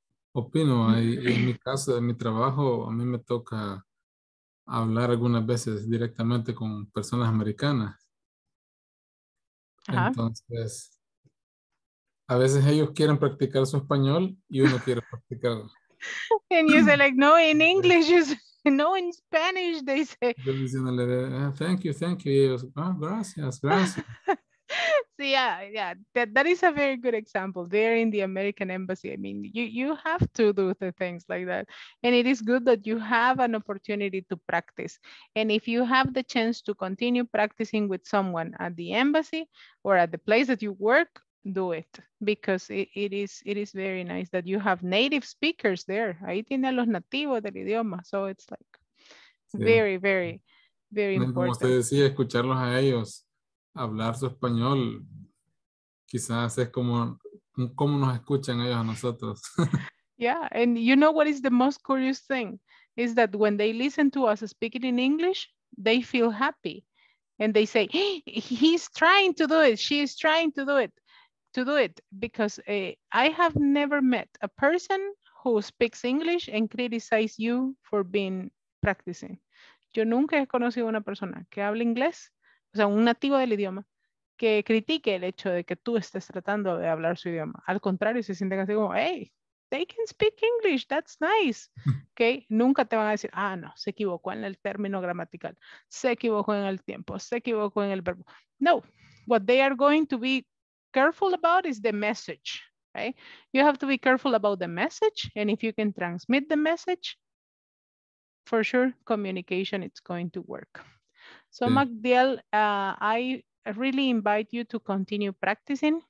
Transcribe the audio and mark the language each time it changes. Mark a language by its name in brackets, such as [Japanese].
[Spanish] Opino, y en mi caso, en mi trabajo, a mí me toca hablar algunas veces directamente con personas americanas. Ajá. Entonces, a veces ellos quieren practicar su español y uno quiere practicar. [English] And you say like, no, in English, no, in Spanish, they say. [Spanish] Yo diciéndole, [English] thank you. [Spanish] Y ellos, oh, gracias. [English] So yeah, that is a very good example. They're in the American embassy. I mean, you have to do the things like that. And it is good that you have an opportunity to practice. And if you have the chance to continue practicing with someone at the embassy or at the place that you work, do it, because it is very nice that you have native speakers there. [Spanish] Ahí tiene a los nativos del idioma. [English] So it's like, [Spanish] sí. [English] Very, very, very [Spanish] como [English] important. [Spanish] Como usted decía, escucharlos a ellos hablar su español, quizás es como nos escuchan ellos a nosotros. [English] Yeah, and you know what is the most curious thing? Is that when they listen to us speaking in English, they feel happy. And they say, hey, he's trying to do it. She is trying to do it. Because I have never met a person who speaks English and criticize you for being practicing. [Spanish] Yo nunca he conocido una persona que hable inglés, o sea, un nativo del idioma, que critique el hecho de que tú estés tratando de hablar su idioma. Al contrario, se sienten así como, [English] hey, they can speak English, that's nice. Okay? [Spanish] Nunca te van a decir, ah, no, se equivocó en el término gramatical, se equivocó en el tiempo, se equivocó en el verbo. [English] No, what they are going to be careful about is the message, right? You have to be careful about the message, and if you can transmit the message, for sure, communication, it's going to work. So, yeah. MacDiel, I really invite you to continue practicing.